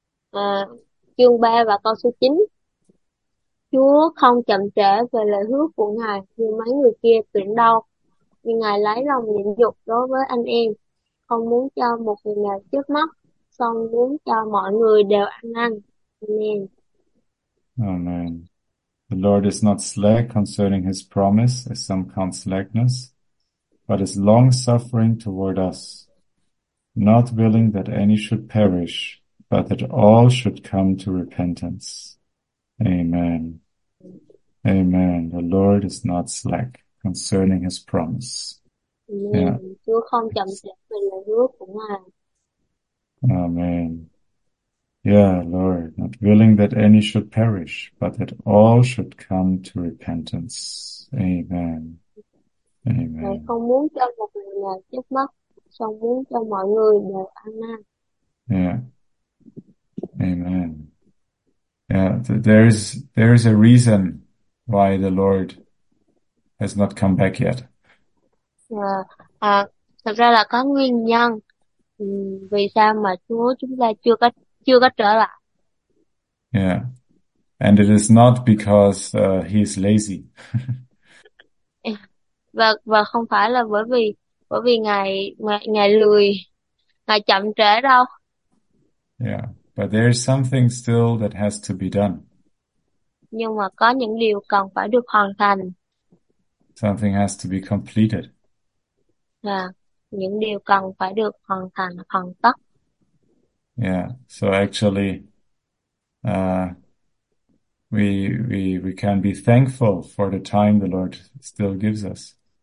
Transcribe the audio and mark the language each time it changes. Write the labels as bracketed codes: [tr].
[vi] À, chương 3 và câu số 9. Chúa không chậm trễ về lời hứa của Ngài như mấy người kia tưởng đâu, nhưng Ngài lấy lòng nhịn nhục đối với anh em, không muốn cho một người nào trước mắt, song muốn cho mọi người đều ăn năn. [en] Amen. The Lord is not slack concerning his promise, as some count slackness, but is long-suffering toward us, not willing that any should perish, but that all should come to repentance. Amen. Amen. The Lord is not slack concerning his promise. Yeah. Amen. [vi] Chúa không chậm trễ về lời hứa của [en] Amen. Yeah, Lord, not willing that any should perish, but that all should come to repentance. Amen. [vi] Ngài. [en] Amen. [vi] Không muốn cho một người nào chết mất, song muốn cho mọi người đều ăn năn. [en] Yeah. Amen. Yeah, there is a reason why the Lord has not come back yet. [vi] Thật ra là có nguyên nhân vì sao mà Chúa chúng ta chưa có trở lại. [en] Yeah. And it is not because he is lazy. [vi] Và không phải là bởi vì ngài lười, ngài chậm trễ đâu. [en] Yeah, but there is something still that has to be done. [vi] Nhưng mà có những điều cần phải được hoàn thành. [en] Something has to be completed. [vi] Là những điều cần phải được hoàn thành, hoàn tất. [en] Yeah, so actually we can be thankful for the time the Lord still gives us.